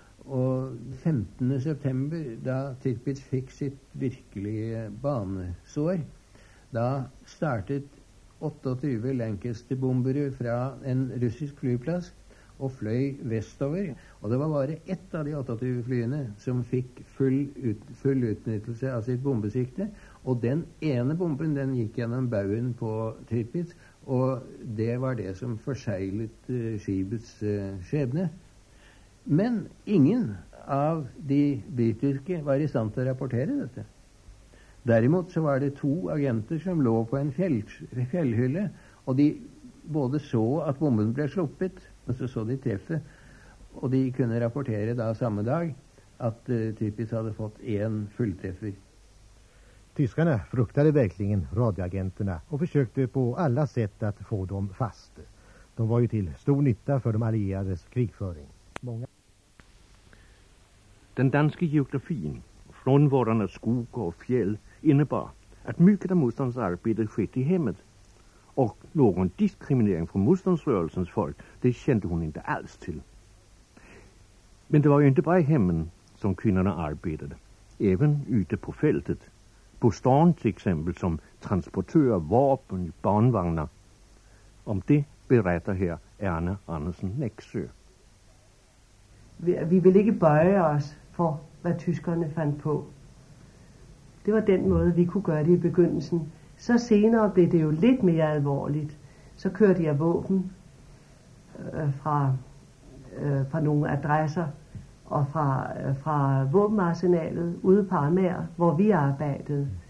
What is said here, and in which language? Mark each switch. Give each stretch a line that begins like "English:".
Norwegian: Og 15. september, da Tirpitz fikk sitt virkelige banesår, da startet 28 Lancaster-bomber fra en russisk flyplass og fløy vestover, og det var bare ett av de 28 flyene som fikk full utnyttelse av sitt bombesikte, og den ene bomben den gikk gjennom bauen på Tirpitz, og det var det som forseglet skibets skjebne. Men ingen av de britiske var i stand til å rapportere dette.
Swedish: Däremot så var det 2 agenter som låg på en fjällhylle och de både så att bomben blev sluppet och så de träffet och de kunde rapportera då samma dag att Tirpitz hade fått 1 fullträffer. Tyskarna fruktade verkligen radioagenterna och försökte på alla sätt att få dem fast. De var ju till stor nytta för de allierades krigföring. Den danske geografin, frånvarande skog och fjäll, innebar att mycket av motståndsarbetet skett i hemmet. Och någon diskriminering från motståndsrörelsens folk, det kände hon inte alls till. Men det var ju inte bara i hemmen som kvinnorna arbetade. Även ute på fältet. På stan till exempel som transportör av vapen i barnvagnar. Om det berättar här Erna Andersen Nexø. Vi vill inte böja oss för vad tyskarna fann på.
Danish: Det var den måde, vi kunne gøre det i begyndelsen. Så senere blev det jo lidt mere alvorligt. Så kørte jeg våben fra nogle adresser og fra våbenarsenalet ude på Amager, hvor vi arbejdede.